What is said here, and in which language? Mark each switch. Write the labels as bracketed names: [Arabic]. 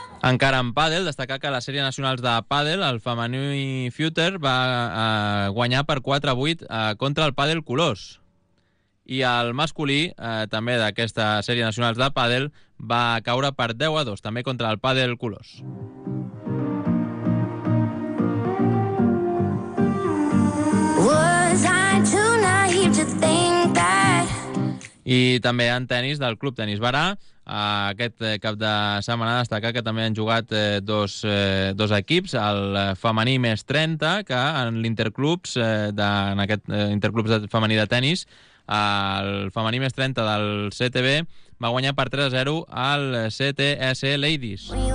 [Catalan] Encara en pàdel, destacar que a la sèrie nacionals de pàdel, el femení Future va guanyar per 4-8 contra el pàdel Colors. I el masculí, també d'aquesta sèrie nacionals de pàdel, va caure per 10-2, també contra el pàdel Colors. [English] Was I too naive to think that... [Catalan] I també en tennis del Club Tennis Barà. Aquest cap de setmana destaca que també han jugat dos equips, el femení més 30, que en l'Interclubs, en aquest Interclubs femení de tennis, el femení més 30 del CTB va guanyar per 3-0 al CTS Ladies.